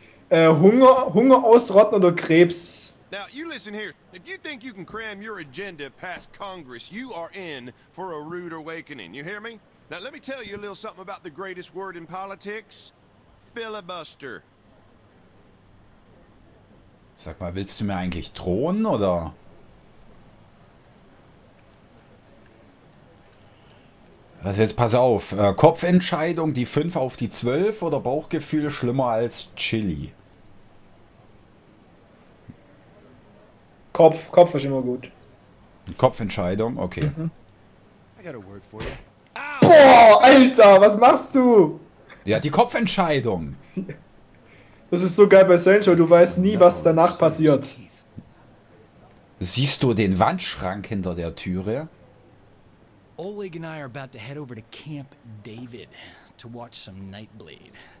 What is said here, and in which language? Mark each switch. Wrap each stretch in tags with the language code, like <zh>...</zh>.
<de>Hunger ausrotten oder Krebs?</de> <en>Now, you listen here. If you think you can cram your agenda past Congress, you are in for a rude awakening. You hear me? Now, let me tell you a little something about the greatest word in politics. Filibuster.</en> <de>Sag mal, willst du mir eigentlich drohen, oder? Also jetzt pass auf. Kopfentscheidung, die 5 auf die 12 oder Bauchgefühl schlimmer als Chili? Kopf ist immer gut. Kopfentscheidung,</de> <en>okay. Mhm. I got a word for you.</en> <de>Boah, Alter, was machst du? Ja, die Kopfentscheidung. Das ist so geil bei Saints Row, du weißt nie, was danach passiert. Siehst du den Wandschrank hinter der Türe?</de> <en>Oleg and I are about to head over to Camp David to watch some Nightblade.</en>